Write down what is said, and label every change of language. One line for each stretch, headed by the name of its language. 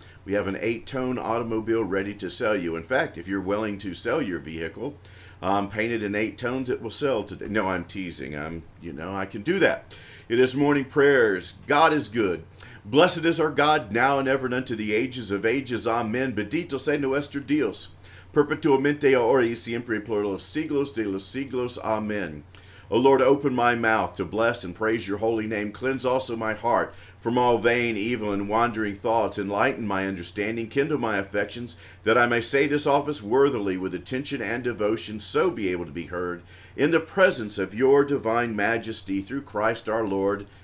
English: We have an 8-tone automobile ready to sell you. In fact, if you're willing to sell your vehicle, painted in 8 tones, it will sell today. No, I'm teasing. I can do that. It is morning prayers. God is good. Blessed is our God, now and ever, and unto the ages of ages.
Spanish: Amen. Bendito sea nuestro Dios. Perpetuamente ahora y siempre por los siglos de los siglos. Amen.
English: O Lord, open my mouth to bless and praise your holy name. Cleanse also my heart from all vain, evil, and wandering thoughts. Enlighten my understanding. Kindle my affections, that I may say this office worthily with attention and devotion, so be able to be heard in the presence of your divine majesty, through Christ our Lord.